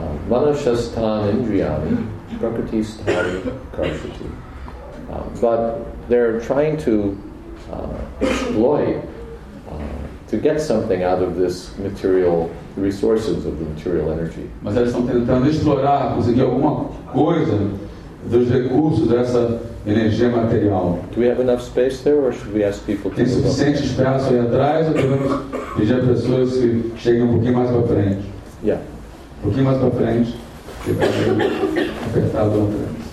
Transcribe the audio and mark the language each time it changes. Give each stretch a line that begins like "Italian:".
Sanskrit: Manashastan indriyani prakriti sthari karshati.
English: But they're trying to exploit to get something out of this material resources of the material energy.
Portuguese: Mas eles estão tentando explorar, conseguir alguma coisa dos recursos dessa energia material.
English: Do we have enough space there, or should we ask people to
Portuguese: tem suficiente espaço aí atrás, ou devemos pedir a pessoas que cheguem um pouquinho mais para frente?
English: Yeah.
Portuguese: Um pouquinho mais para frente, que vai ser apertado atrás.